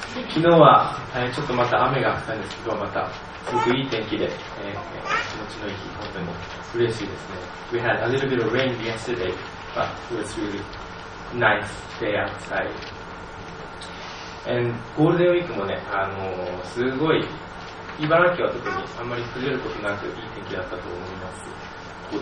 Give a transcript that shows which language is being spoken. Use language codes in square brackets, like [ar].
[ja] 昨日はちょっとまた雨が降ったんですけど、またすごくいい天気で、気持ちのいい日、本当に嬉しいですね。 [en] We had a little bit of rain yesterday, but it was really nice day outside. [ja] And ゴールデンウィークもね、すごい茨城は特にあんまり崩れることなくいい天気だったと思います。